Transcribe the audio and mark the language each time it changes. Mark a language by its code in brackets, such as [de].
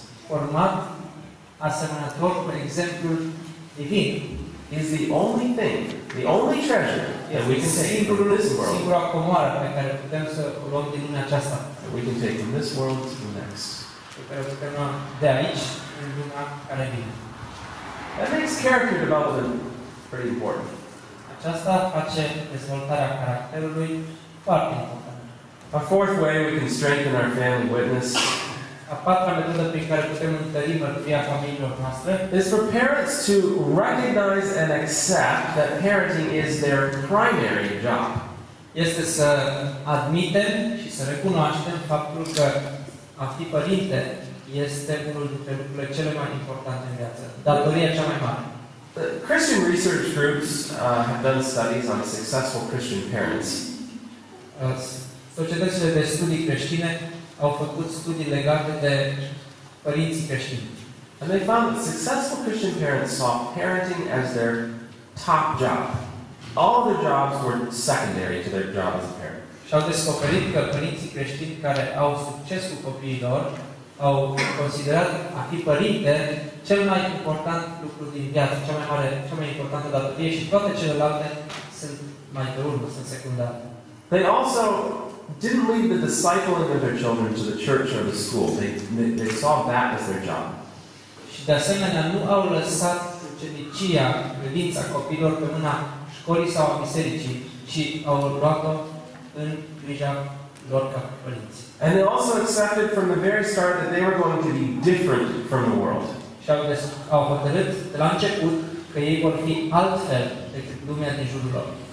[ro] format asemănător cu exemplul divin, [en] is the only thing, the only treasure that we can take from this world. [ro] Singura comoară pe care putem să o luăm din lumea aceasta. [en] That we can take from this world to the next. [ro] Pe care putem lua de aici în lumea care vine. [en] That makes character development pretty important. [ro] Aceasta face dezvoltarea caracterului foarte importantă. [en] A fourth way we can strengthen our family witness. [ro] A patra metodă prin care putem întări mărturia familiilor noastre. [en] Is for parents to recognize and accept that parenting is their primary job. [ro] Este să admitem și să recunoaștem faptul că a fi părinte este unul dintre lucrurile cele mai importante în viață. Datoria cea mai mare. [en] The Christian research groups have done studies on successful Christian parents. [ro] Societățile de studii creștine au făcut studii legate de părinții creștini. [en] And they found that successful Christian parents saw parenting as their top job. All the jobs were secondary to their job as a parent. [ro] Și au descoperit că părinții creștini care au succes cu copiilor au considerat a fi părinte cel mai important lucru din viață, cea mai mare, cea mai importantă datorie și toate celelalte sunt mai pe urmă, sunt secundare. [en] They also didn't leave the discipling of their children to the church or the school. They saw that as their job. [ro] Și de asemenea nu au lăsat ucenicia, credința copiilor pe mâna școlii sau a bisericii, ci au luat-o în grija lor ca părinți. [en] And they also accepted from the very start that they were going to be different from the world. [ro] Și au hotărât de la început că ei vor fi altfel decât lumea din jurul lor.